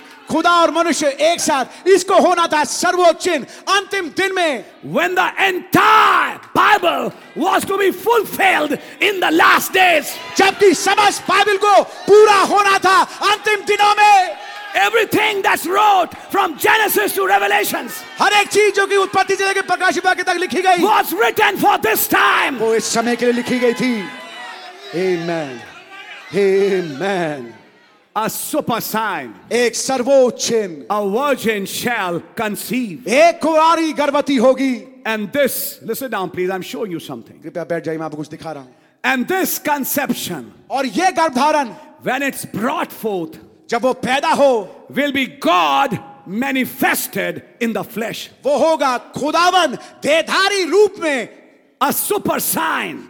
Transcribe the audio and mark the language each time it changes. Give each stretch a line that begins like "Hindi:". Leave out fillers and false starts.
Hindi: खुदा और मनुष्य एक साथ इसको होना था सर्वोच्च अंतिम दिन में
English: When the entire Bible was to be fulfilled in the last days.
Hindi: जबकि समस्त बाइबल को पूरा होना था अंतिम दिनों में
English: Everything that's wrote from Genesis to Revelations
Hindi: हर एक चीज जो कि उत्पत्ति से लेकर प्रकाशित वाक्य तक लिखी गई
English: was written for this time
Hindi: वो इस समय के लिए लिखी गई थी Amen Amen
English: a super sign
Hindi: एक सर्वोच्च चिन्ह
English: a virgin shall conceive
Hindi: एक कुंवारी गर्भवती होगी
English: and this listen down please I'm showing you something
Hindi: कृपया बैठ जाइए मैं आपको कुछ दिखा रहा हूं
English: and this conception
Hindi: और ये गर्भधारण
English: when it's brought forth
Hindi: जब वो पैदा हो
English: will be God manifested in the flesh
Hindi: वो होगा खुदावन देहधारी रूप में
English: a super sign